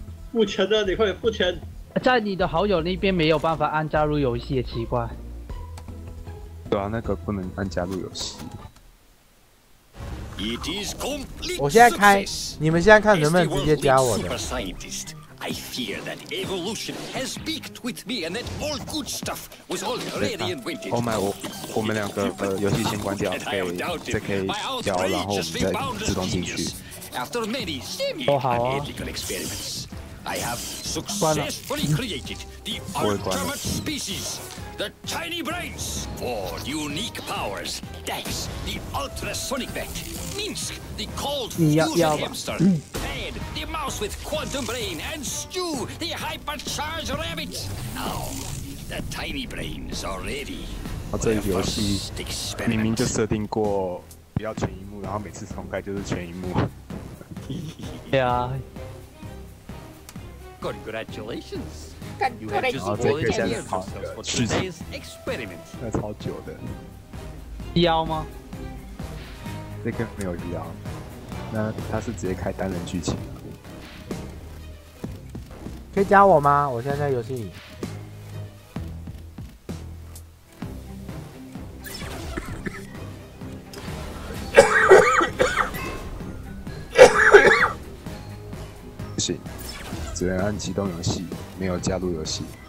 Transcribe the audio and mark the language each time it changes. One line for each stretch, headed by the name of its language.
Chinese: 不签的，你快点不签！在你的好友那边没有办法按加入游戏，也奇怪。对啊，那个不能按加入游戏。
English: It is complete.
Chinese: 我现在开，你们现在看能不能直接加我的。
English: I fear that evolution has peaked with me and that all good stuff was already invented. Oh my,
Chinese: 我们两个游戏先关掉，可以再可以聊，然后我们再自动进去。
English: After many semi-ethical experiments, I have successfully created the ultimate species, the tiny brains, four unique powers, Dex, the ultrasonic vet, Minsk, the cold fusion hamster, Ted, the mouse with quantum brain, and Stu, the hypercharged rabbit. Now, the tiny brains are ready.
Chinese: 这游戏明明就设定过不要全萤幕，然后每次重开就是全萤幕。对啊。
English: Congratulations! You have just been here for today's experiment. That's how long? DL? This is not DL. That's just a single person. Can you add me? I'm in the game. Not yet.
Chinese: 只能按启动游戏，没有加入游戏。